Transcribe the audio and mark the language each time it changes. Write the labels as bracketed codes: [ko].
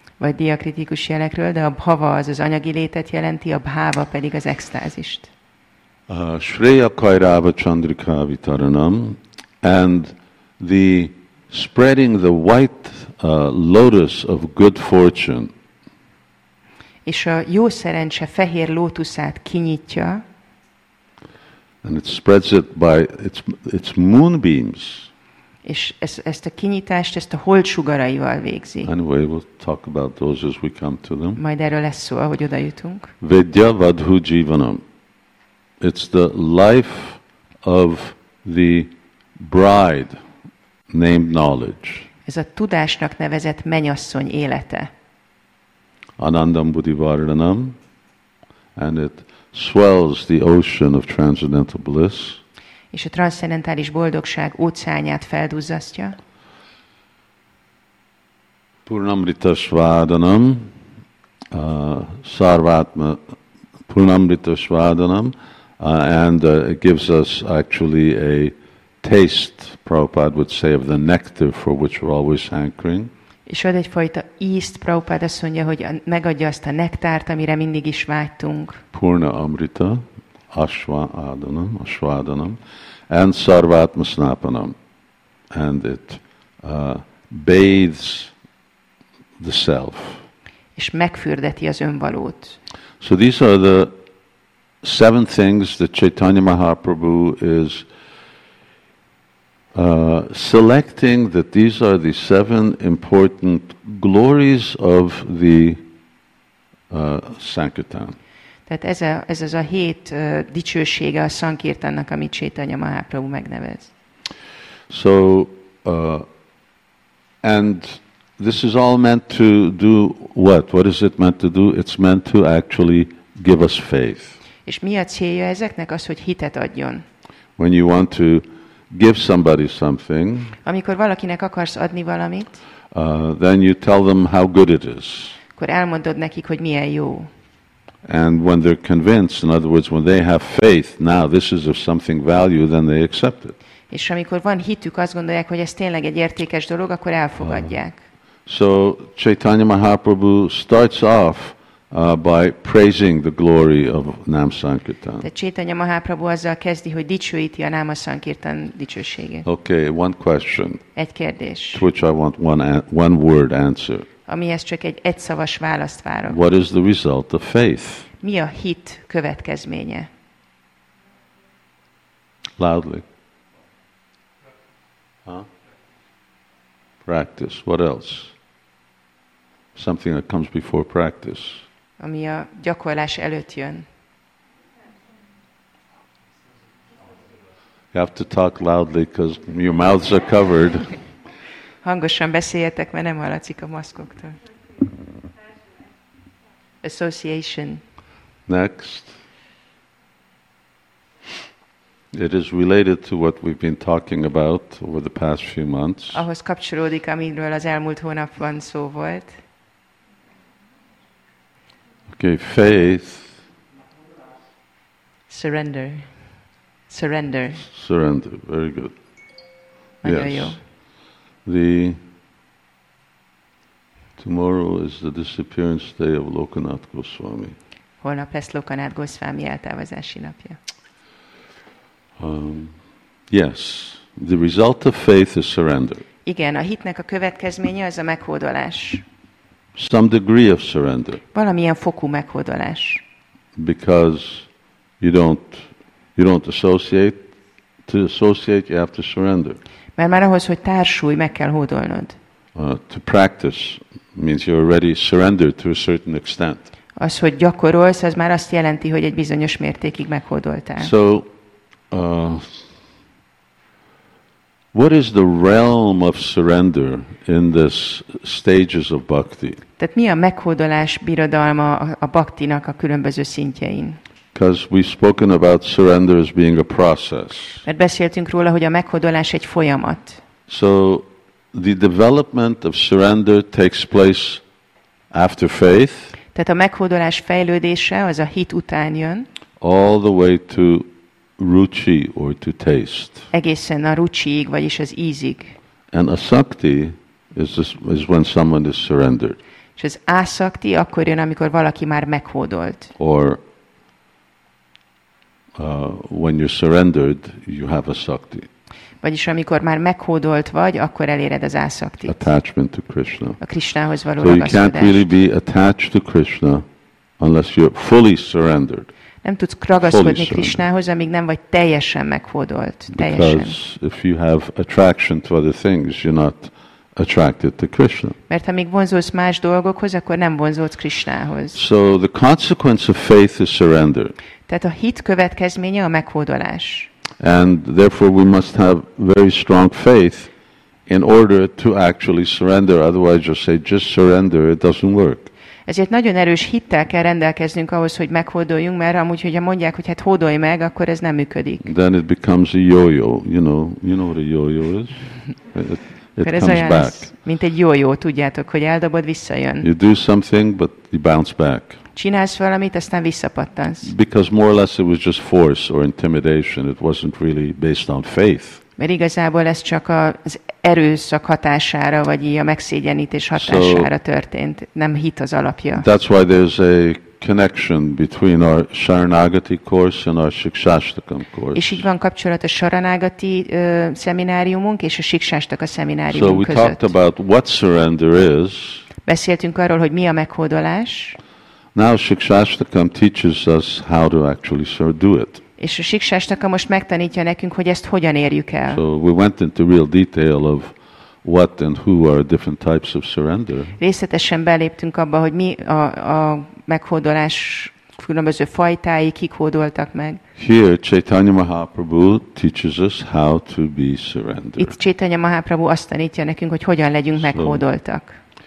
[hu] Vagy diakritikus jelekről, de a bhava az az anyagi létet jelenti, a bhava pedig az extázist. [sa] Shreya Kairava Chandrika Vitaranam, [en] and the spreading the white lotus of good fortune. [hu] És a jó szerencse fehér lótuszát kinyitja. [en] And it spreads it by its moonbeams. [hu] És ezt a kinyitást, ezt a holdsugaraival végzi. [en] Anyway, we'll talk about those as we come to them. [hu] Majd erről lesz szó, ahogy oda jutunk. [sa] Vidya Vadhu Jivanam. [en] It's the life of the bride named knowledge. [hu] Ez a tudásnak nevezett menyasszony élete. [sa] Anandam Buddhivardhanam, [en] and it swells the ocean of transcendental bliss. [hu] És a transzcendentális boldogság óceánját felduzzasztja. [sa] Purnamritasvadanam, sarvatma Purnamrita Svadhanam, [en] and it gives us actually a taste, Prabhupada would say, of the nectar for which we're always hankering. [hu] És ad egyfajta ízt, Prabhupada azt mondja, hogy megadja azt a nektárt, amire mindig is vágytunk. [sa] Purna Amrita, Ashvadhanam, Ashvadhanam, and Sarvatma Snapanam. [en] And it bathes the self. [hu] És megfürdeti az önvalót. [en] So these are the seven things that Chaitanya Mahaprabhu is selecting, that these are the seven important glories of the Sankirtan. [hu] Tehát ez az a hét dicsősége a Sankirtannak, amit Chaitanya Mahaprabhu megnevez. [en] So, and this is all meant to do what? What is it meant to do? It's meant to actually give us faith. [hu] És mi a célja ezeknek? Az, hogy hitet adjon. [en] When you want to give somebody something, [hu] amikor valakinek akarsz adni valamit, [en] then you tell them how good it is. [hu] Akkor elmondod nekik, hogy milyen jó. [en] And when they're convinced, in other words, when they have faith, now this is of something value, then they accept it. [hu] És amikor van hitük, azt gondolják, hogy ez tényleg egy értékes dolog, akkor elfogadják. [en] So Chaitanya Mahaprabhu starts off by praising the glory of Nam Sankirtan. [hu] De Chaitanya Mahaprabhu azzal kezdi, hogy dicsőíti a Nama Sankirtan dicsőségét. [en] Okay, one question. [hu] Egy kérdés. [en] To which I want one word answer. [hu] Amihez csak egy egyszavas választ várok. [en] What is the result of faith? [hu] Mi a hit következménye? [en] Loudly. Huh? Practice. What else? Something that comes before practice. [hu] Ami a gyakorlás előtt jön. [en] You have to talk loudly because your mouths are covered. [hu] Hangosan beszéljetek, mert nem hallatszik a maszkoktól. [en] Association. Next. It is related to what we've been talking about over the past few months. [hu] Ahhoz kapcsolódik, amiről az elmúlt hónapban szó volt. [en] Okay, faith. Surrender. Surrender. Surrender, very good. [hu] Nagyon [en] yes. [hu] Jó. [en] Tomorrow is the disappearance day of Lokanath Goswami. [hu] Holnap lesz Lokanath Goswami eltávozási napja. [en] Yes, the result of faith is surrender. [hu] Igen, a hitnek a következménye az a meghódolás. [en] Some degree of surrender. [hu] Valamilyen fokú meghódolás. [en] Because you don't associate. To associate, you have to surrender. [hu] Mert már ahhoz, hogy társulj, meg kell hódolnod. [en] To practice means you're already surrendered to a certain extent. [hu] Az, hogy gyakorolsz, az már azt jelenti, hogy egy bizonyos mértékig meghódoltál. [en] So, what is the realm of surrender in this stages of bhakti? [hu] Tehát mi a meghódolás birodalma a bhaktinak a különböző szintjein? [en] Because we've spoken about surrender as being a process. [hu] Mert beszéltünk róla, hogy a meghódolás egy folyamat. [en] So the development of surrender takes place after faith. [hu] Tehát a meghódolás fejlődése az a hit után jön. [en] All the way to ruchi or to taste. [hu] Egészen a ruchiig, vagyis az ízig. [en] And asakti is when someone is surrendered. [hu] És az asakti akkor jön, amikor valaki már meghódolt. [en] Or when you're surrendered, you have a sakti. [hu] Vagyis amikor már meghódolt vagy, akkor eléred az asaktit. [en] Attachment to Krishna. [hu] A Krishnához való ragaszkodás. [en] So you can't really be attached to Krishna unless you're fully surrendered. [hu] Nem tudsz ragaszkodni Krishnához, amíg nem vagy teljesen meghódolt. Teljesen. [en] Because if you have attraction to other things, you're not attracted to Krishna. [hu] Mert ha még vonzódsz más dolgokhoz, akkor nem vonzódsz Krishnához. [en] So the consequence of faith is surrender. [hu] Tehát a hit következménye a meghódolás. [en] And therefore we must have very strong faith in order to actually surrender. Otherwise you'll say, just surrender, it doesn't work. [hu] Ezért nagyon erős hittel kell rendelkeznünk ahhoz, hogy meghódoljunk, mert amúgy, hogyha mondják, hogy hát hódolj meg, akkor ez nem működik. [en] Then it becomes a yo-yo. You know what a yo-yo is? It comes [hu] olyan, [en] back. [hu] Mint egy jó, tudjátok, hogy eldobod, visszajön. [en] You do something, but you bounce back. [hu] csinálsz valamit, aztán visszapattansz. [en] Because more or less it was just force or intimidation. It wasn't really based on faith. [hu] Mert igazából ez csak az erőszak hatására, vagy így a megszégyenítés hatására történt. Nem hit az alapja. [en] That's why there's a connection between our Sharanagati course and our Shikshashtakam course. [hu] És így van kapcsolat a Sharanagati szemináriumunk és a Shikshashtaka szemináriumunk között. [en] So we talked about what surrender is. [hu] Beszéltünk arról, hogy mi a meghódolás. [en] Now Shikshashtakam teaches us how to actually do it. [hu] És a Shikshashtaka most megtanítja nekünk, hogy ezt hogyan érjük el. [en] So we went into real detail of what and who are different types of surrender. [hu] Részletesen beléptünk abba, hogy mi a meghódolás különböző fajtái, kik hódoltak meg. [en] Here Chaitanya Mahaprabhu teaches us how to be surrendered. [hu] Itt Chaitanya Mahaprabhu azt tanítja nekünk, hogy hogyan legyünk meghódoltak.